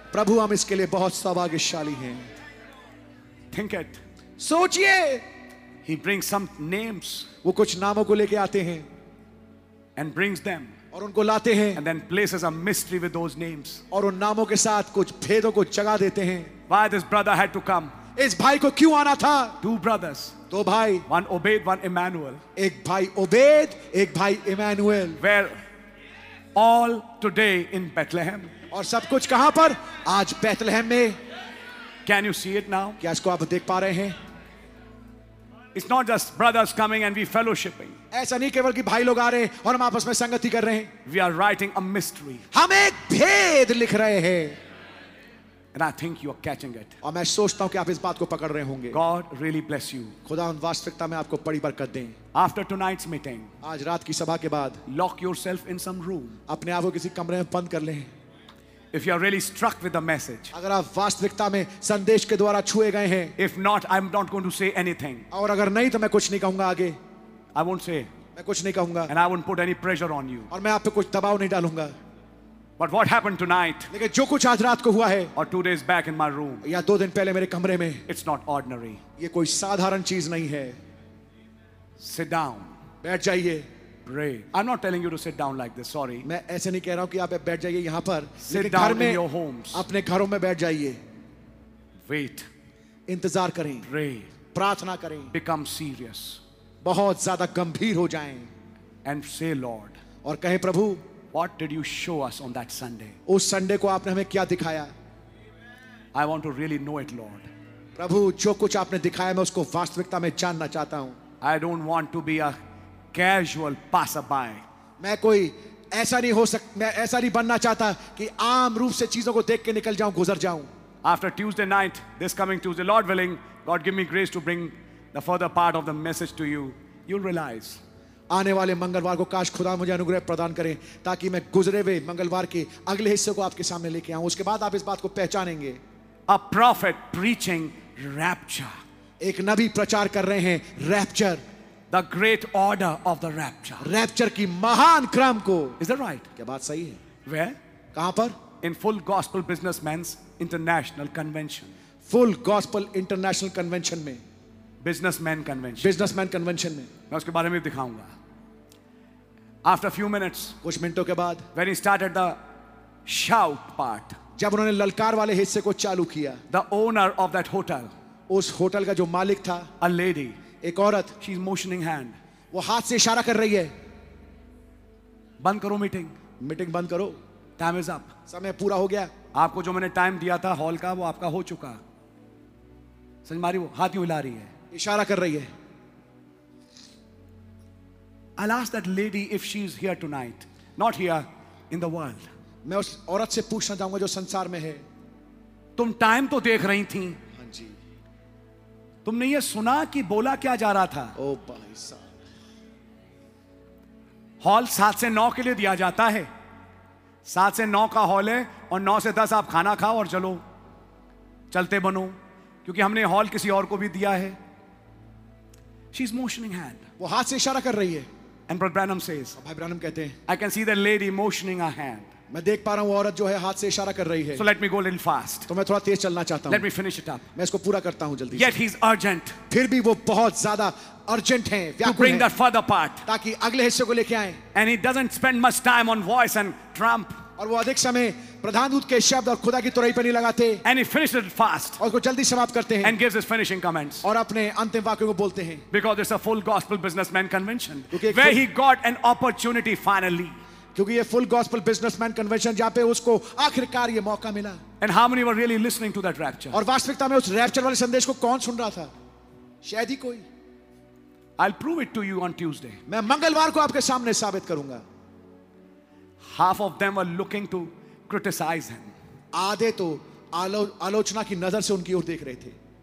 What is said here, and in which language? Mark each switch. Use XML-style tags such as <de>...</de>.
<hi>प्रभु हम इसके लिए बहुत सौभाग्यशाली हैं.</hi> <en>Think it.</en> <hi>सोचिए.</hi> <en>He brings some names.</en> <hi>वो कुछ नामों को लेके आते हैं.</hi> <en>And brings them.</en> <hi>और उनको लाते हैं.</hi> <en>And then places a mystery with those names.</en> <hi>और उन नामों के साथ कुछ भेदों को जगा देते हैं.</hi> <en>Why this brother had to come?</en> <hi>इस भाई को क्यों आना था?</hi> <en>Two brothers.</en> <hi>दो भाई.</hi> <en>One Obed, one Emmanuel.</en> <hi>एक भाई Obed, एक भाई Emmanuel.</hi> <en>Where? All today in Bethlehem.</en> <hi>और सब कुछ कहां पर? आज Bethlehem में.</hi> <en>Can you see it now?</en> <hi>क्या इसको आप देख पा रहे हैं?</hi> <en>It's not just brothers coming and we fellowshipping.</en> <hi>ऐसा नहीं केवल कि भाई लोग आ रहे हैं और हम आपस में संगति कर रहे हैं.</hi> <en>We are writing a mystery.</en> <hi>हम एक भेद लिख रहे हैं.</hi> <en>And I think you are catching it.</en> <hi>और मैं सोचता हूँ कि आप इस बात को पकड़ रहे होंगे.</hi> <en>God really bless you.</en> <hi>खुदा उन वास्तविकता में आपको बड़ी बरकत दें.</hi> <en>After tonight's meeting,</en> <hi>आज रात की सभा के बाद,</hi> <en>lock yourself in some room.</en> <hi>अपने आप को किसी कमरे में बंद कर लें.</hi> <en>If you are really struck with the message,</en> <hi>अगर आप वास्तविकता में संदेश के द्वारा छुए गए हैं,</hi> <en>if not, I'm not going to say anything.</en> <hi>और अगर नहीं तो मैं कुछ नहीं कहूंगा आगे.</hi> <en>I won't say.</en> <hi>मैं कुछ नहीं कहूंगा.</hi> <en>And I won't put any pressure on you.</en> <hi>और मैं आप पे कुछ दबाव नहीं डालूंगा.</hi> <en>But what happened tonight?</en> <hi>लेकिन जो कुछ आज रात को हुआ है,</hi> <en>or 2 days back in my room,</en> <hi>या दो दिन पहले मेरे कमरे में,</hi> <en>it's not ordinary.</en> <hi>ये कोई साधारण चीज नहीं है.</hi> <en>Sit down.</en> <hi>बैठ जाइए.</hi> <en>Pray. I'm not telling you to sit down like this. Sorry.</en> <hi>मैं ऐसे नहीं कह रहा हूँ कि आप बैठ जाइए यहाँ पर.</hi> <en>Sit down in your homes.</en> <hi>अपने घरों में बैठ जाइए.</hi> <en>Wait.</en> <hi>इंतजार करें.</hi> <en>Pray.</en> <hi>प्रार्थना करें.</hi> <en>Become serious.</en> <hi>बहुत ज़्यादा गंभीर हो जाएं.</hi> <en>And say, Lord.</en> <hi>और कहें प्रभु.</hi> <en>What did you show us on that Sunday?</en> <hi>उस संडे को आपने हमें क्या दिखाया?</hi> <en>I want to really know it, Lord.</en> <hi>प्रभु जो कुछ आपने दिखाया मैं उसको वास्तविकता में जानना चाहता हूँ.</hi> <en>I don't want to be a casual passerby.</en> <hi>मैं कोई ऐसा नहीं हो सकता. मैं ऐसा नहीं बनना चाहता कि आम रूप से चीजों को देख के निकल जाऊं, गुजर जाऊं.</hi> <en>After Tuesday night, this coming Tuesday, Lord willing, God give me grace to bring the further part of the message to you. You'll realize.</en> <hi>आने वाले मंगलवार को काश खुदा मुझे अनुग्रह प्रदान करें ताकि मैं गुजरे हुए मंगलवार के अगले हिस्से को आपके सामने लेके आऊं. उसके बाद आप इस बात को पहचानेंगे.</hi> <en>A prophet preaching rapture.</en> <hi>एक नबी प्रचार कर रहे हैं rapture.</hi> <en>The great order of the rapture.</en> <hi>Rapture की महान क्रम को.</hi> <en>Is that right?</en> <hi>क्या बात सही है?</hi> <en>Where?</en> <hi>कहां पर?</hi> <en>In full gospel businessmen's international convention. Full gospel international convention में. Businessman convention. Businessman convention में.</en> <hi>मैं उसके बारे में दिखाऊंगा.</hi> <en>After a few minutes.</en> <hi>कुछ मिनटों के बाद.</hi> <en>When he started the shout part.</en> <hi>जब उन्होंने ललकार वाले हिस्से को चालू किया.</hi> <en>The owner of that hotel.</en> <hi>उस होटल का जो मालिक था.</hi> <en>A lady.</en> <hi>एक औरत.</hi> <en>She's motioning hand.</en> <hi>वो हाथ से इशारा कर रही है. बंद करो मीटिंग. मीटिंग बंद करो.</hi> <en>Time is up.</en> <hi>समय पूरा हो गया. आपको जो मैंने टाइम दिया था हॉल का वो आपका हो चुका. समझ मारी? वो हाथ ही हिला रही है. इशारा कर रही है. I'll ask that lady if she's here tonight. Not here, in the world. मैं उस औरत से पूछना चाहूंगा जो संसार में है. तुम टाइम तो देख रही थी. हाँ जी. तुमने ये सुना कि बोला क्या जा रहा था? ओ भाई साहब. हॉल 7 से 9 के लिए दिया जाता है. 7 से 9 का हॉल है और 9 से 10 आप खाना खाओ और चलो चलते बनो क्योंकि हमने हॉल किसी और को भी दिया है.</hi> <en>She is motioning hand.</en> <hi>वो हाथ से इशारा कर रही है.</hi> <en>And brother Branham says.</en> <hi>भाई ब्रैनम कहते हैं.</hi> <en>I can see the lady motioning a hand.</en> <hi>मैं देख पा रहा हूँ औरत जो है हाथ से इशारा कर रही है.</hi> <en>So let me go a little fast.</en> <hi>तो मैं थोड़ा तेज चलना चाहता हूँ.</hi> <en>Let me finish it up.</en> <hi>मैं इसको पूरा करता हूँ जल्दी.</hi> <en>Yet he's urgent.</en> <hi>फिर भी वो बहुत ज़्यादा urgent हैं.</hi> <en>To bring that further part.</en> <hi>ताकि अगले हिस्से को लेके आएं.</hi> <en>And he doesn't spend much time on voice and Trump.</en> <hi>और वो अधिक समय प्रधान दूत के शब्द और खुदा की तुरही पर नहीं लगाते. And he finishes it fast. और उसको जल्दी समाप्त करते हैं. And gives his finishing comments. और अपने अंतिम वाक्य को बोलते हैं.</hi> <en>Because it's a full gospel businessman convention. Where he got an opportunity finally.</en> <hi>क्योंकि ये फुल गॉस्पल बिजनेसमैन कन्वेंशन जहां पे उसको आखिरकार ये मौका मिला.</hi> <en>And how many were really listening to that rapture?</en> <hi>और वास्तविकता में उस रैप्चर वाले संदेश को कौन सुन रहा था? शायद ही कोई.</hi> <en>I'll prove it to you on Tuesday.</en> <hi>मैं मंगलवार को आपके सामने साबित करूंगा.</hi> <en>Half of them were looking to criticize him.</en> <hi>आधे तो आलोचना की नजर से उनकी ओर देख रहे थे.</hi>